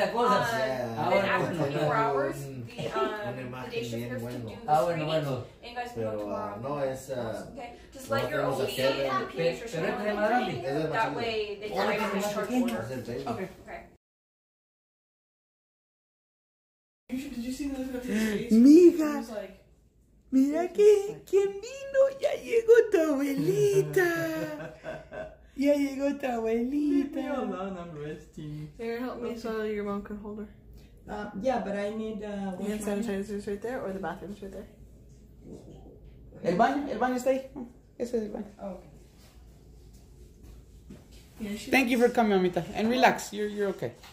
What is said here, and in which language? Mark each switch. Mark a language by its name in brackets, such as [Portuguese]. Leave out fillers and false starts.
[English] after 24 hours, the day shift nurse can do the screening, and you guys can go tomorrow. [Spanish] No, es, [English] okay. Just let your OB and your pediatrician know that way they can make a discharge order. Okay. [Spanish] Mija, mira que quien vino, ya llegó tu abuelita. Ya llegó tu abuelita. [English] Leave me alone, I'm resting. Here, help me so your mom can hold her. Yeah, but I need hand sanitizers right there, or the bathroom's right there. [Spanish] El baño está ahí. Ese es el baño. [English] Oh, okay. Yeah, thank you for coming, mamita. And relax, you're okay.